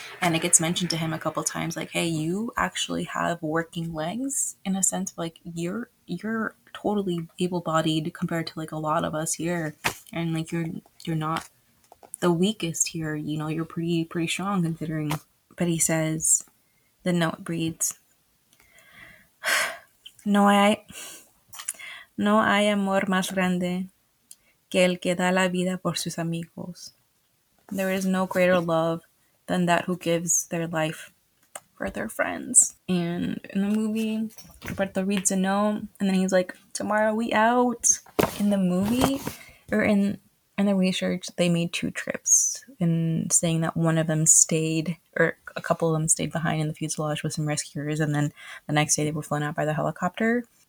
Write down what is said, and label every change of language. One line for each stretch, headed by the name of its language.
English: And it gets mentioned to him a couple times, like, hey, you actually have working legs in a sense, like you're totally able-bodied compared to like a lot of us here, and like you're not the weakest here, you know, you're pretty strong considering. But he says, the note reads,
Spanish: no hay amor más grande que el que da la vida por sus amigos.
English: There is no greater love than that who gives their life for their friends. And in the movie, Roberto reads a note, and then he's like, tomorrow we out. In the movie, or in the research, they made two trips, and saying that one of them stayed, or a couple of them stayed behind in the fuselage with some rescuers, and then the next day they were flown out by the helicopter.